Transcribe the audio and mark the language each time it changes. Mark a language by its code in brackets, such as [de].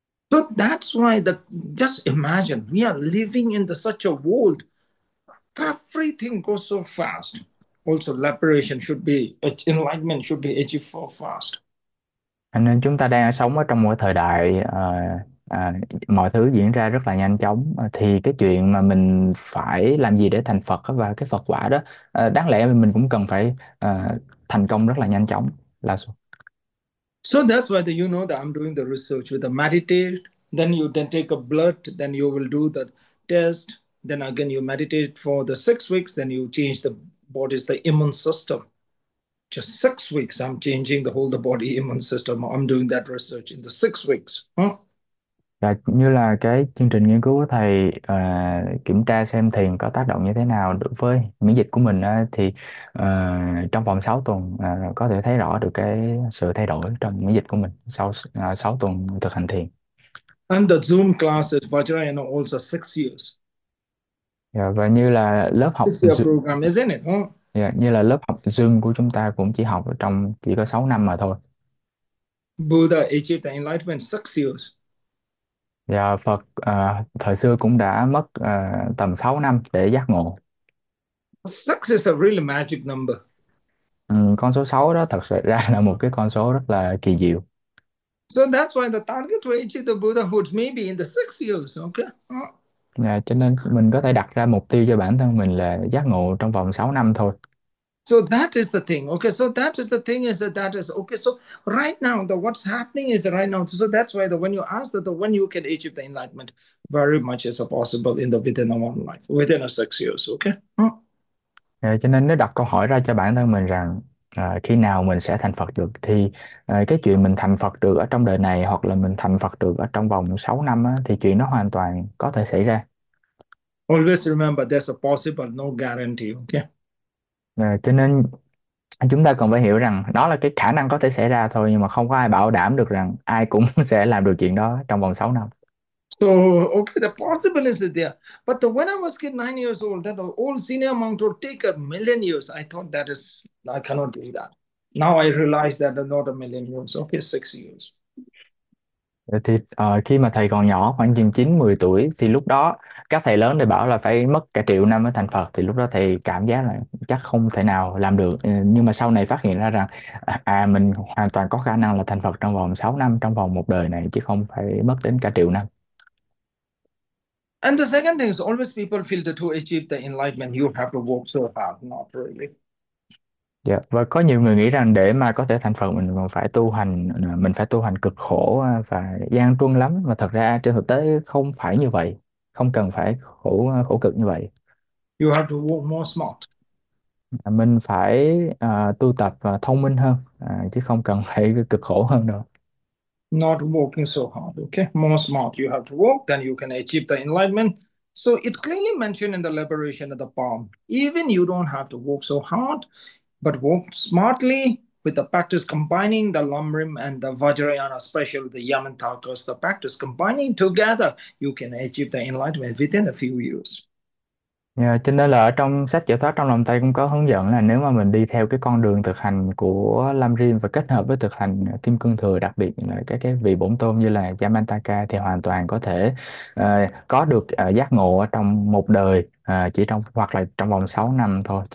[en] So that's why the just imagine we are living in the such a world, everything goes so fast. Also, liberation should be, enlightenment should be achieved so fast. [vi] Nên chúng ta đang sống ở trong một thời đại mọi thứ diễn ra rất là nhanh chóng, thì cái chuyện mà mình phải làm gì để thành Phật và cái Phật quả đó, đáng lẽ mình cũng cần phải thành công rất là nhanh chóng. Là [en] So that's why you know that I'm doing the research with the meditate. Then you then take a blood, then you will do the test. Then again, you meditate for the 6 weeks. Then you change the body's the immune system. Just 6 weeks, I'm changing the whole the body immune system. I'm doing that research in the 6 weeks. [vi] Và như là cái chương trình nghiên cứu của thầy kiểm tra xem thiền có tác động như thế nào đối với miễn dịch của mình thì trong vòng 6 tuần có thể thấy rõ được cái sự thay đổi trong miễn dịch của mình sau 6 tuần thực hành thiền. [en] And the Zoom classes, Vajrayana, also 6 years. [vi] Và như là lớp học [en] 6 year program, isn't it? Huh? [vi] như là lớp học Zoom của chúng ta cũng chỉ học trong chỉ có 6 năm mà thôi. [en] Buddha achieved the enlightenment 6 years. [vi] Và Phật thời xưa cũng đã mất tầm 6 năm để giác ngộ. [en] 6 is a really magic number. [vi] Con số 6 đó thật sự ra là một cái con số rất là kỳ diệu. [en] So that's why the target to achieve the Buddhahood may be in the 6 years, okay? [vi] Cho nên mình có thể đặt ra mục tiêu cho bản thân mình là giác ngộ trong vòng 6 năm thôi. [en] So that is the thing, okay? So that is the thing is that that is okay. So right now, the what's happening is right now. So that's why the when you ask that the when you can achieve the enlightenment, very much is possible in the within a 1 life, within a 6 years, okay? [vi] Cho nên nếu đặt câu hỏi ra cho bản thân mình rằng khi nào mình sẽ thành Phật được thì cái chuyện mình thành Phật được ở trong đời này hoặc là mình thành Phật được ở trong vòng 6 năm á, thì chuyện nó hoàn toàn có thể xảy ra. [en] Always remember there's a possible, no guarantee, okay? [vi] Cho nên chúng ta cần phải hiểu rằng đó là cái khả năng có thể xảy ra thôi, nhưng mà không có ai bảo đảm được rằng ai cũng sẽ làm được chuyện đó trong vòng 6 năm. [en] So, okay, the possibility is there. But when I was kid, 9 years old, that old senior monk would take a million years. I thought that is, I cannot do that. Now I realize that not a million years, okay, 6 years. [vi] Thì khi mà thầy còn nhỏ khoảng chừng 9-10 tuổi thì lúc đó các thầy lớn thì bảo là phải mất cả triệu năm mới thành Phật, thì lúc đó thầy cảm giác là chắc không thể nào làm được, nhưng mà sau này phát hiện ra rằng mình hoàn toàn có khả năng là thành Phật trong vòng 6 năm, trong vòng một đời này, chứ không phải mất đến cả triệu năm. [en] And the second thing is always people feel that to achieve the enlightenment you have to work so hard. Not really. [vi] Và có nhiều người nghĩ rằng để mà có thể thành Phật mình còn phải tu hành, mình phải tu hành cực khổ và gian truân lắm, mà thật ra trên thực tế không phải như vậy, không cần phải khổ khổ cực như vậy. [en] You have to work more smart. [vi] Mình phải tu tập thông minh hơn chứ không cần phải cực khổ hơn đâu. [en] Not working so hard, okay? More smart you have to work, then you can achieve the enlightenment. So it clearly mentioned in the liberation of the palm, even you don't have to work so hard, but work smartly with the practice combining the lamrim and the vajrayana, especially the yamantakas, the practice combining together, you can achieve the enlightenment within a few years. [vi] Cho nên là ở trong sách giải thoát trong lòng tay cũng có hướng dẫn là nếu mà mình đi theo cái con đường thực hành của Lam Rim và kết hợp với thực hành Kim Cương Thừa, đặc biệt là cái vị bổn tôn như là Yamantaka, thì hoàn toàn có thể có được giác ngộ ở trong một đời, chỉ trong hoặc là trong vòng 6 năm thôi.